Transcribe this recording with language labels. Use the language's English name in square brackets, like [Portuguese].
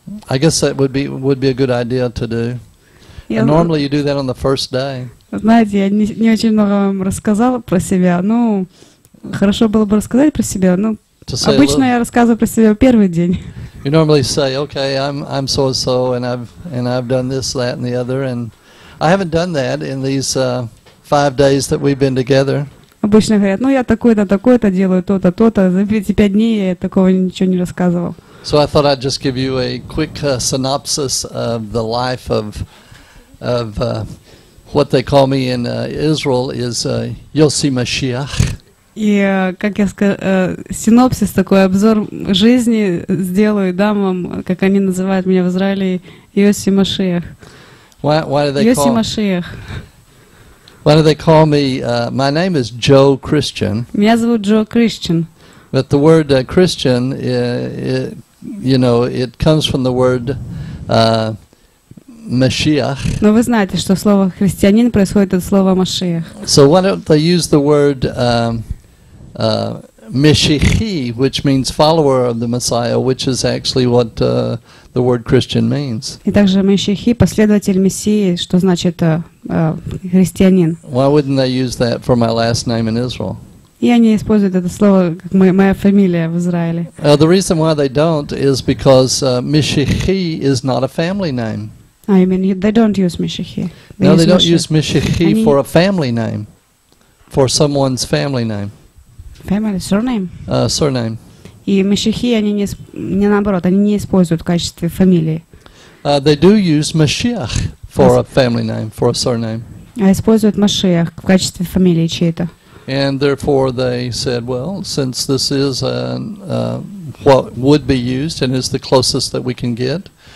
[English] I guess that would be a good idea to do. Yeah, and normally you do that on the first day. [Russian] Знаете, я не очень много вам рассказал про себя. Ну, хорошо было бы рассказать про себя. Ну, обычно я рассказываю про себя первый день. [English] You normally say, "Okay, I'm so and so, and I've done this, that, and the other," and I haven't done that in these 5 days that we've been together. [Russian] Обычно говорят, ну я такое-то, такое-то делаю, то-то, то-то. За эти 5 дней я такого ничего не рассказывал. [English] So I thought I'd just give you a quick synopsis of the life of what they call me in Israel is Yossi Mashiach. [Russian] И, как я сказал, синопсис такой, обзор жизни сделаю, дам вам, как они называют меня в Израиле, Йоси Машиах. Йоси Машиах. [English] Why do they call me, my name is Джо Крищен. [Russian] Меня зовут Джо Крищен. [English] But the word Christian, you know, it comes from the word Mashiach. [Russian] Но вы знаете, что слово христианин происходит от слова Машиах. [English] So why don't they use the word Meshichi, which means follower of the Messiah, which is actually what the word Christian means. [Russian] И также Meshichi, последователь Мессии, что значит христианин. [English] Why wouldn't they use that for my last name in Israel? [Russian] И они используют это слово как моя фамилия в Израиле. [English] The reason why they don't is because Meshichi is not a family name. I mean, they don't use Meshichi. No, they don't use Meshichi for a family name, for someone's family name. Family surname. Surname. [Russian] И Мессии они не наоборот, они не используют в качестве фамилии. [English] They do use Mashiach for a family name, for a surname. [Russian] А используют Машиах в качестве фамилии чьей-то. [English] And therefore they said, well, since this is what would be used and is the closest that we can get,